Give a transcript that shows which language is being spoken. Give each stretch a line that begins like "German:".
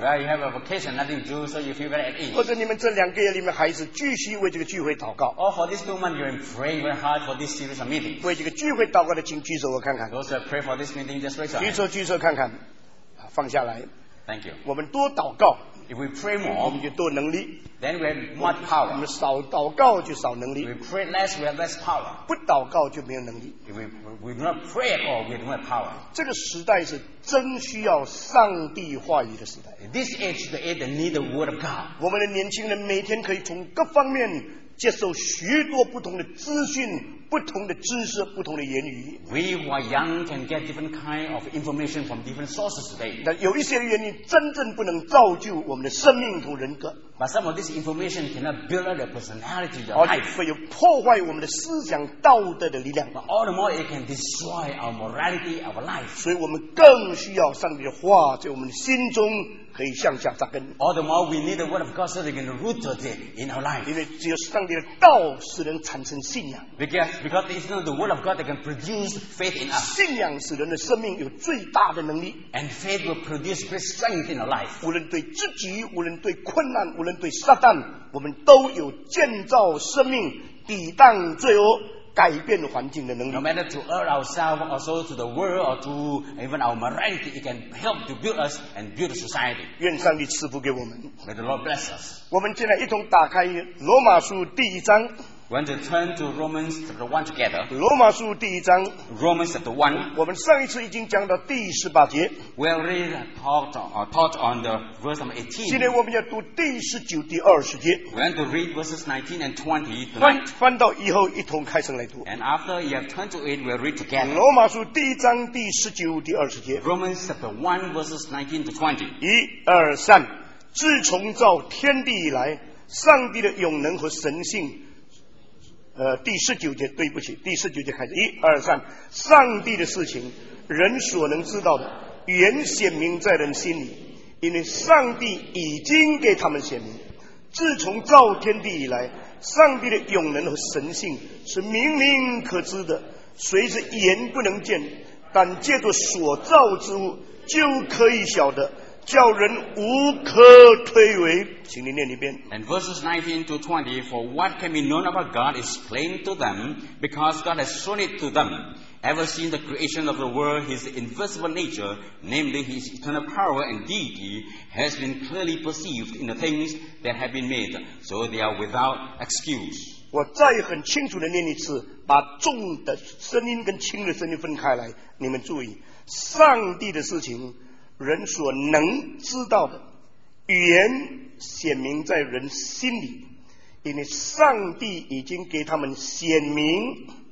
English: Well, you have a vacation, nothing to do, so you feel very at ease.
Chinese: 或者你们这两个月里面还是继续为这个聚会祷告。
English: Or for these 2 months, you're praying very hard for this series of meetings.
Chinese: 为这个聚会祷告的，请举手我看看。
English: Those who pray for this meeting, just raise your
Chinese: hand. 举手看看，放下来。
English: Thank you.
Chinese: 我们多祷告
English: If we pray more,
Chinese: 我们就多能力
English: Then we have more power.
Chinese: 我们少祷告就少能力
English: We pray less, we have less power.
Chinese: 不祷告就没有能力
English: If we do not pray at all, we have more power.
Chinese: 这个时代是真需要上帝话语的时代
English: This age is the age that needs the word of God.
Chinese: 我们的年轻人每天可以从各方面接受许多不同的资讯不同的知识不同的言语
English: We who are young can get different kind of information from different sources today
Chinese: 但有一些原因真正不能造就我们的生命和人格
English: But some of this information cannot build up the personality of your life
Chinese: 会有破坏我们的思想道德的力量
English: But all the more it can destroy our morality of life
Chinese: 所以我们更需要上帝的话在我们的心中可以向下扎根
English: All the more we need the word of God so we can root it in our life
Chinese: 因为只有上帝的道使人产生信仰
English: Because it's not the word of God that can produce faith in us
Chinese: 信仰使人的生命有最大的能力
English: And faith will produce great strength in our life
Chinese: 无论对自己无论对困难无论对撒旦我们都有建造生命抵挡罪恶改变环境的能力
English: No matter to earn ourselves or so to the world or to even our morality it can help to build us and build society
Chinese: 愿上帝赐福给我们
English: May the Lord bless us
Chinese: 我们现在一同打开罗马书第一章
English: We want to turn to Romans chapter 1 together
Chinese: 罗马书第一章
English: Romans chapter 1
Chinese: 我们上一次已经讲到第十八节
English: We already taught on the verse number 18
Chinese: 今天我们要读第十九、第二十节
English: We want to read verses 19 and 20
Chinese: 翻到以后一同开声来读
English: And after you have turned to it, we'll read together
Chinese: 罗马书第一章第十九、第二十节
English: Romans chapter 1 verses 19 to 20
Chinese: 一、二、三自从造天地以来上帝的永能和神性第十九节对不起第十九节开始一二三上帝的事情人所能知道的原显明在人心里因为上帝已经给他们显明自从造天地以来上帝的永能和神性是明明可知的随着眼不能见但借着所造之物就可以晓得叫人无可推诿，请您念一遍。
English: And verses 19 to 20, for what can be known about God is plain to them, because God has shown it to them. Ever since the creation of the world, His invisible nature, namely His eternal power and deity, has been clearly perceived in the things that have been made, so they are without excuse.
Chinese: 我再很清楚地念一次，把重的声音跟轻的声音分开来，你们注意，上帝的事情人所能知道的原显明在人心里因为上帝已经给他们显明